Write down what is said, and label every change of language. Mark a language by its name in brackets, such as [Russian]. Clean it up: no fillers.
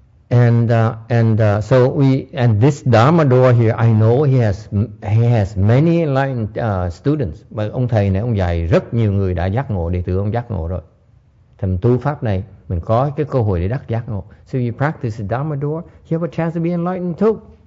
[English] And this Dharma door here, I know he has many enlightened students. [Vietnamese] But ông thầy này ông dạy rất nhiều người đã giác ngộ, đệ tử ông giác ngộ rồi. Thành tu pháp này mình có cái cơ hội để đắc giác ngộ. [English] So you practice the Dharma door, you have a chance to be enlightened too.